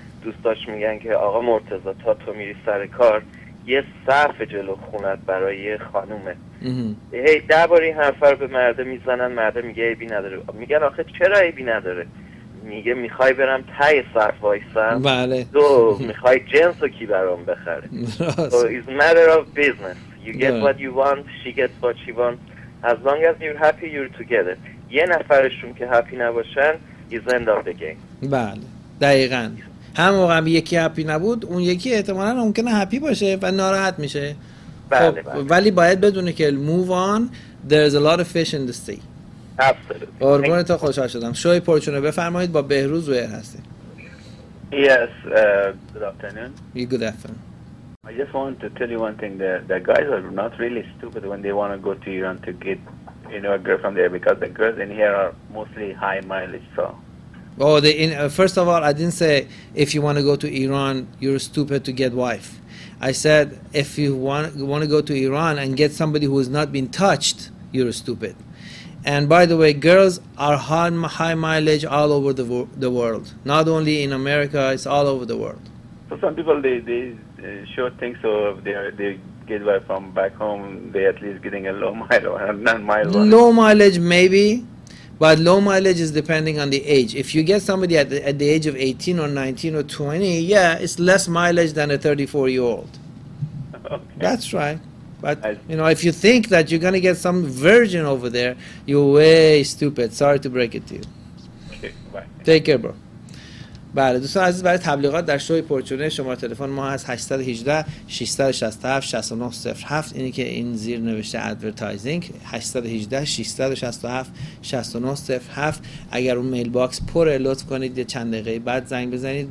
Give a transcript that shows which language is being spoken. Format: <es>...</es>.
<fa>دوستاش میگن که آقا مرتضی، تا تو میری سر کار یه صف جلو خونت برای یه خانومه. هی درباره این حرفا رو به مرده میزنن، مرده میگه عیبی نداره. میگن آخه چرا عیبی نداره؟ میگه میخوای برم تای صف وایسم؟ بله. دو، میخوای جنس رو کی برام بخره؟</fa> <en>so it's matter of business. You get what you want, she gets what she wants. As long as you're happy, you're together.</en> <fa>یه نفرشون که</fa> <en>happy</en> <fa>نباشن،</fa> <en>is end of the game.</en> <fa>بله، دقیقاً. هم موقع یکی happy نبود، اون یکی احتمالاً ممکنه happy باشه و ناراحت میشه. بله، بله. ولی باید بدونه که move on, there's a lot of fish in the sea.</fa> <en>Absolutely.</en> <fa>قربون تو، خوشحال شدم. شوی پرچونه بفرمایید، با بهروز و ایر هستی.</fa> <en>Yes, good afternoon. You good afternoon. I just want to tell you one thing, the guys are not really stupid when they want to go to Iran to get, you know, a girl from there, because the girls in here are mostly high mileage, so. Oh, first of all, I didn't say if you want to go to Iran, you're stupid to get wife. I said if you want to go to Iran and get somebody who has not been touched, you're stupid. And by the way, girls are high mileage all over the world. Not only in America, it's all over the world. So some people, they sure think so. If they get away from back home, they at least getting a low mileage, not mile. Low mileage, maybe. But low mileage is depending on the age. If you get somebody at the age of 18 or 19 or 20, yeah, it's less mileage than a 34-year-old. Okay. That's right. But, you know, if you think that you're going to get some virgin over there, you're way stupid. Sorry to break it to you. Okay, bye. Take care, bro.</en> <fa>بله دوستان عزیز، برای تبلیغات در شوی پرچونه شماره تلفن ما هست 818-667-6907. اینی که این زیر نوشته ادورتایزینگ، 818-667-6907. اگر اون میل باکس پره لطف کنید یه چند دقیقه بعد زنگ بزنید.</fa>